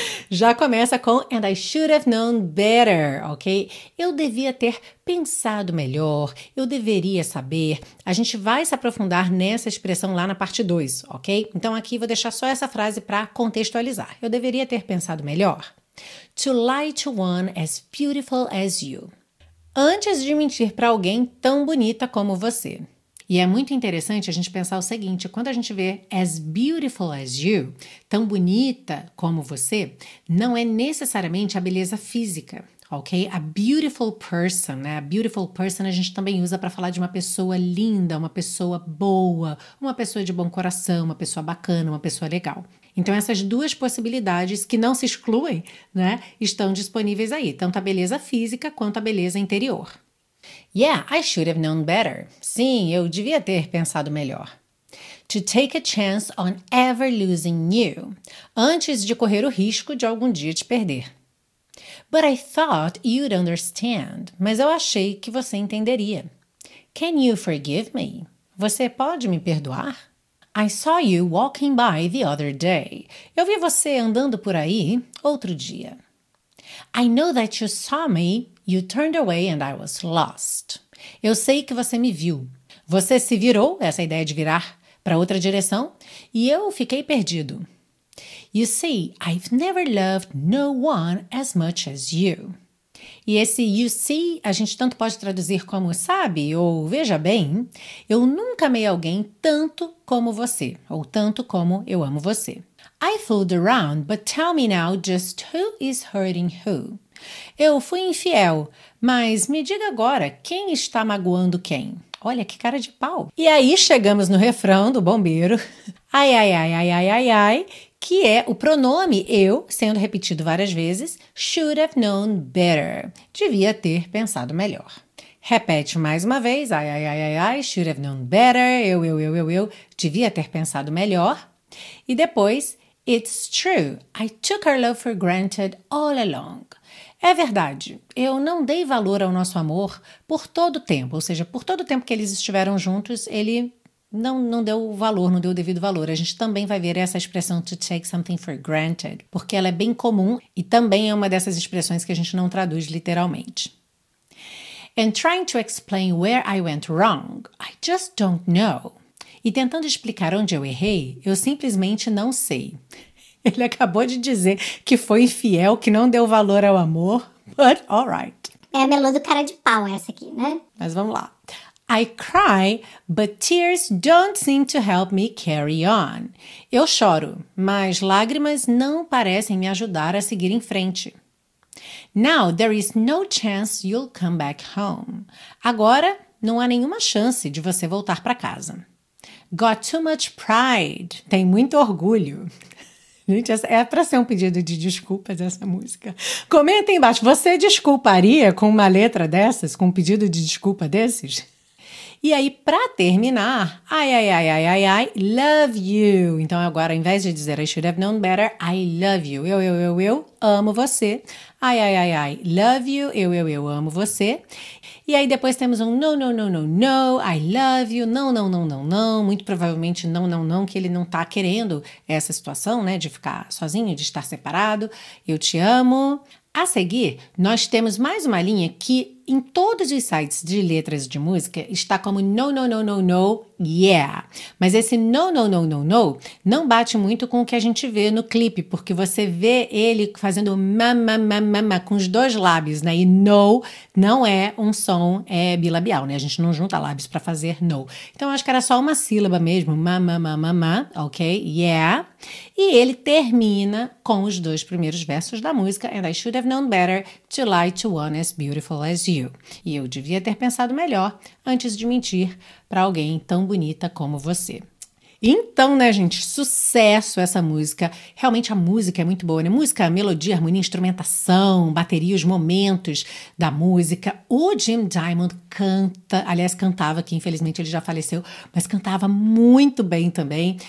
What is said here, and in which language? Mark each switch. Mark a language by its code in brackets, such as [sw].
[pt] Já começa com [en] And I should have known better, ok? [pt] Eu devia ter pensado melhor, eu deveria saber. A gente vai se aprofundar nessa expressão lá na parte 2, ok? Então aqui vou deixar só essa frase para contextualizar. Eu deveria ter pensado melhor. [en] To lie to one as beautiful as you. [pt] Antes de mentir para alguém tão bonita como você. E é muito interessante a gente pensar o seguinte: quando a gente vê [en] as beautiful as you, [pt] tão bonita como você, não é necessariamente a beleza física, ok? [en] A beautiful person, [pt] né? A beautiful person a gente também usa para falar de uma pessoa linda, uma pessoa boa, uma pessoa de bom coração, uma pessoa bacana, uma pessoa legal. Então, essas duas possibilidades, que não se excluem, né, estão disponíveis aí, tanto a beleza física quanto a beleza interior. [en] Yeah, I should have known better. [pt] Sim, eu devia ter pensado melhor. [en] To take a chance on ever losing you. [pt] Antes de correr o risco de algum dia te perder. [en] But I thought you'd understand. [pt] Mas eu achei que você entenderia. [en] Can you forgive me? [pt] Você pode me perdoar? [en] I saw you walking by the other day. [pt] Eu vi você andando por aí outro dia. [en] I know that you saw me, you turned away and I was lost. [pt] Eu sei que você me viu. Você se virou, essa ideia de virar para outra direção, e eu fiquei perdido. [en] You see, I've never loved no one as much as you. [pt] E esse [en] you see, [pt] a gente tanto pode traduzir como sabe ou veja bem, eu nunca amei alguém tanto como você, ou tanto como eu amo você. [en] I fooled around, but tell me now just who is hurting who? [pt] Eu fui infiel, mas me diga agora quem está magoando quem? Olha que cara de pau! E aí chegamos no refrão do bombeiro, ai, ai, ai, ai, ai, ai, ai. Que é o pronome eu sendo repetido várias vezes, [en] should have known better. [pt] Devia ter pensado melhor. Repete mais uma vez, ai, ai, ai, ai, ai, [en] should have known better. [pt] Eu, devia ter pensado melhor. E depois, [en] it's true, I took our love for granted all along. [pt] É verdade, eu não dei valor ao nosso amor por todo o tempo, ou seja, por todo o tempo que eles estiveram juntos, ele. Não deu valor, não deu o devido valor. A gente também vai ver essa expressão [en] to take something for granted, [pt] porque ela é bem comum e também é uma dessas expressões que a gente não traduz literalmente. [en] And trying to explain where I went wrong, I just don't know. [pt] E tentando explicar onde eu errei, eu simplesmente não sei. Ele acabou de dizer que foi infiel, que não deu valor ao amor. [en] But all right. [pt] É a melô do cara de pau essa aqui, né? Mas vamos lá. [en] I cry, but tears don't seem to help me carry on. [pt] Eu choro, mas lágrimas não parecem me ajudar a seguir em frente. [en] Now there is no chance you'll come back home. [pt] Agora não há nenhuma chance de você voltar para casa. [en] Got too much pride. [pt] Tem muito orgulho. Gente, essa é para ser um pedido de desculpas essa música. Comenta aí embaixo, você desculparia com uma letra dessas, com um pedido de desculpa desses? E aí, para terminar, ai, ai, ai, ai, ai, ai, love you. Então agora, ao invés de dizer [en] I should have known better, I love you. [pt] Eu amo você. Ai, ai, ai, ai, [en] love you. [pt] Eu amo você. E aí depois temos um [en] no, no, no, no, no, I love you. [pt] Não, não, não, não, não. Muito provavelmente não, não, não, que ele não tá querendo essa situação, né? De ficar sozinho, de estar separado. Eu te amo. A seguir, nós temos mais uma linha que em todos os sites de letras de música está como [en] no, no, no, no, no, yeah. [pt] Mas esse no, no, no, no, no não bate muito com o que a gente vê no clipe, porque você vê ele fazendo mama, mama, mama com os dois lábios, né? E no não é um som bilabial, né? A gente não junta lábios para fazer no. Então, acho que era só uma sílaba mesmo, mama, mama, mama, ok? [en] Yeah. [pt] E ele termina com os dois primeiros versos da música, [en] and I should have known better to lie to one as beautiful as you. [pt] E eu devia ter pensado melhor antes de mentir para alguém tão bonita como você. Então, né, gente, sucesso essa música. Realmente a música é muito boa, né? Música, melodia, harmonia, instrumentação, bateria, os momentos da música. O Jim Diamond canta, aliás, cantava, que infelizmente ele já faleceu, mas cantava muito bem também.